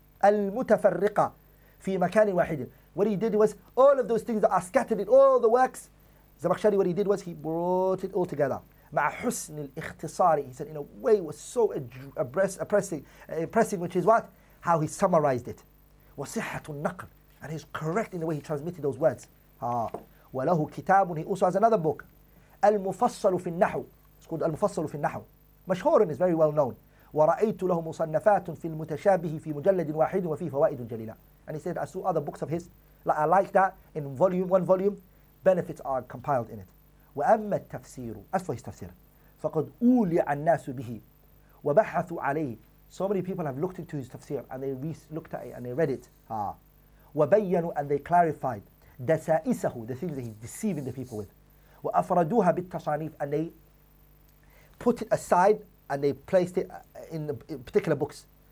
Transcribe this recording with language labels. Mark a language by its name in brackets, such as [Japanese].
[Arabic] المتفرقة في مكان واحد, [English] what he did was all of those things that are scattered in all the works. Zamakhshari, what he did was he brought it all together. [Arabic] مع حسن الاختصار, [English] he said in a way was so impressive, which is what? How he summarized it. [Arabic] وصحة النقل, [English] and he's correct in the way he transmitted those words. [Arabic] وله كتاب, [English] he also has another book. [Arabic] المفصل في النحو, [English] it's called [Arabic] المفصل في النحو. مشهور, [English] is very well known. [Arabic] ورأيت له مصنفات في المتشابه في مجلد واحد وفي فوائد جليلة. [English] And he said, I saw other books of his, like I like that, in volume, one volume, benefits are compiled in it. [Arabic] وأما التفسير, [English] as for his [Arabic] تفسير, فقد أولع الناس به وبحثوا عليه. [English] So many people have looked into his تفسير, and they looked at it, and they read it. [Arabic] وبينوا, [English] and they clarified, [Arabic] دسائسه, [English] the things that he's deceiving the people with. [Arabic] وأفردوها بالتصانيف, [English] and they put it aside, and they placed it in particular books.